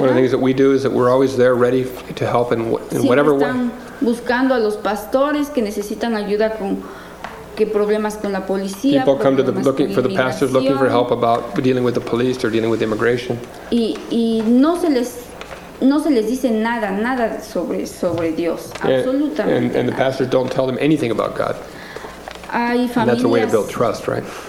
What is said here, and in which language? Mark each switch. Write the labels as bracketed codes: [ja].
[en] One of the things that we do is that we're always there ready to help in whatever way. [es] Siempre están buscando a los pastores que necesitan ayuda con que problemas con la policía. [en] People come to the looking for the pastors looking for help about dealing with the police or dealing with immigration. [es] Y no se les dice nada sobre Dios, absolutamente. [en] And the pastors don't tell them anything about God. [es] Hay familias, [en] and that's a way to build trust, right?